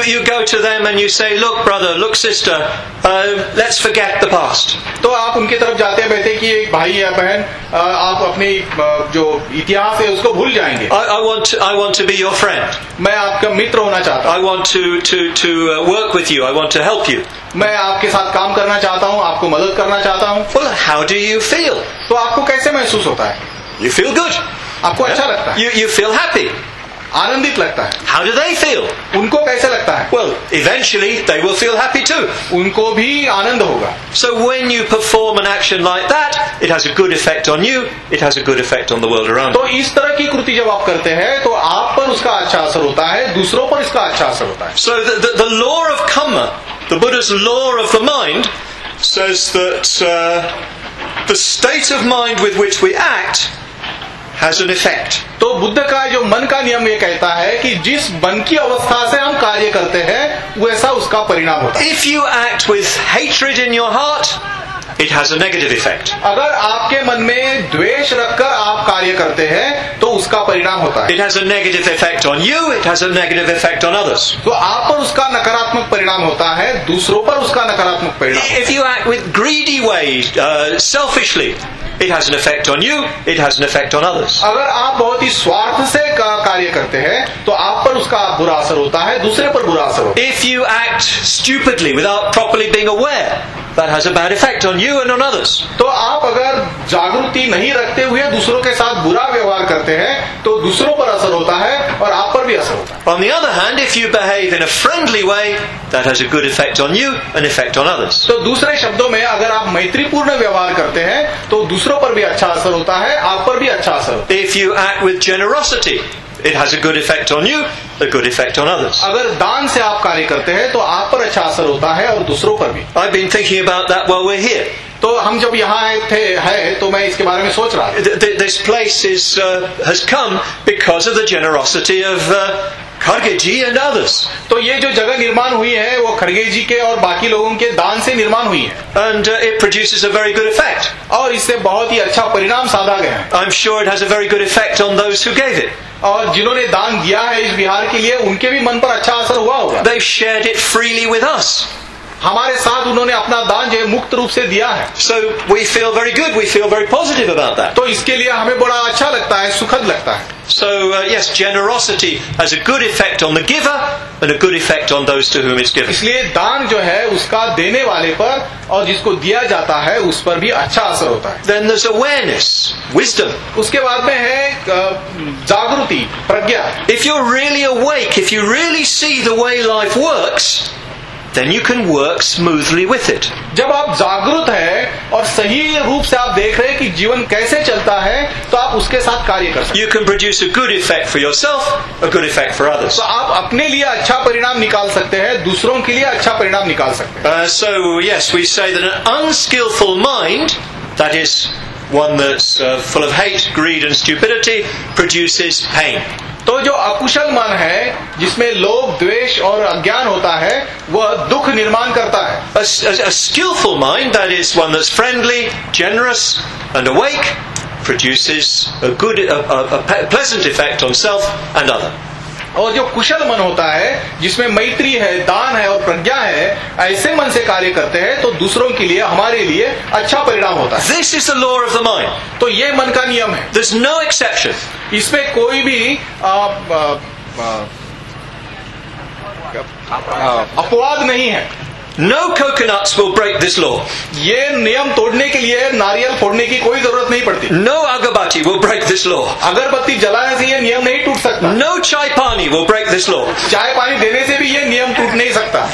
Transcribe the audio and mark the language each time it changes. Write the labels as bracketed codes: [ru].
[en] You go to them and you say, look brother, look sister, let's forget the past. [hi] तो आप उनके तरफ जाते हैं बहते कि एक भाई या बहन आप अपनी जो इतिहास है उसको भूल जाएंगे. [en] I want to be your friend. [hi] मैं आपका मित्र होना चाहता हूँ. [en] I want to work with you. I want to help you. [hi] मैं आपके साथ काम करना चाहता हूँ. आपको मदद करना चाहता हूँ. [en] Well, how do you feel? [hi] तो आपको कैसे महसूस होता है? [en] You feel good. [hi] आपको अच्छा लगता है? [en] You feel happy. [hi] आनंदित लगता है. [en] How do they feel? [hi] उनको कैसा लगता है? [en] Well, eventually they will feel happy too. [hi] उनको भी आनंद होगा. [en] So when you perform an action like that, it has a good effect on you. It has a good effect on the world around. [hi] तो इस तरह की कृति जब आप करते हैं, तो आप पर उसका अच्छा असर होता है, दूसरों पर इसका अच्छा असर होता है. [en] So the law of karma, the Buddha's law of the mind, says that the state of mind with which we act has an effect. [hi] तो बुद्ध का जो मन का नियम ये कहता है कि जिस मन की अवस्था से हम कार्य करते हैं वैसा उसका परिणाम होता है. [en] If you act with hatred in your heart, it has a negative effect. [hi] अगर आपके मन में द्वेष रखकर आप कार्य करते हैं तो उसका परिणाम होता है. [en] It has a negative effect on you, it has a negative effect on others. [hi] तो आप पर उसका नकारात्मक परिणाम होता है, दूसरों पर उसका नकारात्मक परिणाम. [en] If you act with greedy way, selfishly, it has an effect on you, it has an effect on others. [hi] अगर आप बहुत ही स्वार्थ से कार्य करते हैं तो आप पर उसका बुरा असर होता है, दूसरे पर बुरा असर होता है. [en] If you act stupidly without properly being aware, that has a bad effect on you and on others. [hi] तो आप अगर जागरूकता नहीं रखते हुए दूसरों के साथ बुरा व्यवहार करते हैं तो दूसरों पर असर होता है और आप पर भी असर होता है. [en] On the other hand, if you behave in a friendly way, that has a good effect on you and effect on others. [hi] तो दूसरे शब्दों में अगर आप मैत्रीपूर्ण व्यवहार करते हैं तो दूसरों पर भी अच्छा असर होता है, आप पर भी अच्छा असर होता है. [en] If you act with generosity, it has a good effect on you, a good effect on others. [hi] अगर दान से आप कार्य करते हैं तो आप पर अच्छा असर होता है और दूसरों पर भी. [en] I've been thinking about that while we're here. [hi] तो हम जब यहाँ आए थे है तो मैं इसके बारे में सोच रहा था. [en] This place is has come because of the generosity of खड़गे जी and others. [hi] तो ये जो जगह निर्माण हुई है वो खड़गे जी के और बाकी लोगों के दान से निर्माण हुई है. [en] And it produces a very good effect. [hi] और इससे बहुत ही अच्छा परिणाम साधा गया. [en] I am sure it has a very good effect on those who gave it. [hi] और जिन्होंने दान दिया है इस विहार के लिए उनके भी मन पर अच्छा असर हुआ होगा. [en] They shared it freely with us. [hi] हमारे साथ उन्होंने अपना दान जो है मुक्त रूप से दिया है. [en] So we feel very good, we feel very positive about that. [hi] तो इसके लिए हमें बड़ा अच्छा लगता है, सुखद लगता है. [en] So yes, generosity has a good effect on the giver and a good effect on those to whom it's given. [hi] इसलिए दान जो है उसका देने वाले पर और जिसको दिया जाता है उस पर भी अच्छा असर होता है. [en] Then there's awareness, wisdom. [hi] उसके बाद में है जागृति, प्रज्ञा. [en] If you're really awake, if you really see the way life works, then you can work smoothly with it. [hi] जब आप जागृत है और सही रूप से आप देख रहे हैं कि जीवन कैसे चलता है तो आप उसके साथ कार्य कर सकते हैं. [en] You can produce a good effect for yourself, a good effect for others. [hi] तो आप अपने लिए अच्छा परिणाम निकाल सकते हैं, दूसरों के लिए अच्छा परिणाम निकाल सकते हैं. [en] So yes, we say that an unskillful mind, that is one that's full of hate, greed and stupidity, produces pain. [hi] तो जो अकुशल मन है जिसमें लोभ द्वेष और अज्ञान होता है वह दुख निर्माण करता है. [en] A skillful mind, that is one that's friendly, generous and awake, produces a good, a pleasant effect on self and other. [hi] और जो कुशल मन होता है जिसमें मैत्री है, दान है और प्रज्ञा है, ऐसे मन से कार्य करते हैं तो दूसरों के लिए, हमारे लिए अच्छा परिणाम होता है. [en] This is the law of the mind. [hi] तो ये मन का नियम है. [en] There's no exception. [hi] इसमें कोई भी अपवाद नहीं है. [en] No coconuts will break this law. [hi] ये नियम तोड़ने के लिए नारियल फोड़ने की कोई जरूरत नहीं पड़ती. [en] No agarbatti will break this law. [hi] अगरबत्ती जलाने से ये नियम नहीं टूट सकता. [en] No chai pani will break this law. [hi] चाय पानी देने से भी ये नियम टूट नहीं सकता.